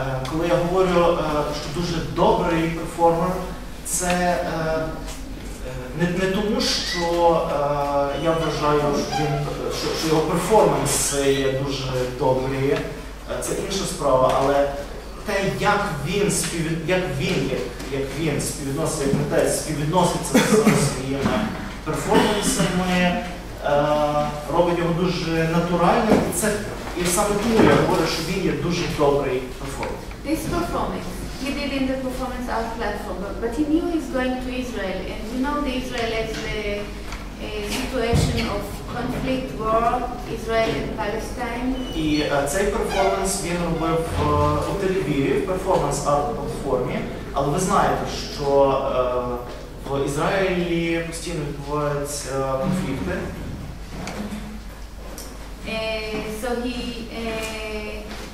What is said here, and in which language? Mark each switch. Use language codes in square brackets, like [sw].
[uk] Коли я говорю, що дуже добрий перформер, це не тому, що я вважаю, що його перформанс є дуже добрий, це інша справа, але те, як він співвідноситься, як митець співвідноситься з своїми перформансами, робить його дуже натуральним. І це і саме тому я говорю, що він є дуже добрий перформер. [en] This performance, he did in the performance art platform, but he knew he's going to Israel. And you know the Israel as the situation of conflict, war, Israel and Palestine. [uk] І цей перформанс він робив у Тель-Авіві, в перформанс-арт-платформі. Але ви знаєте, що в Ізраїлі постійно відбуваються конфлікти. [en] So he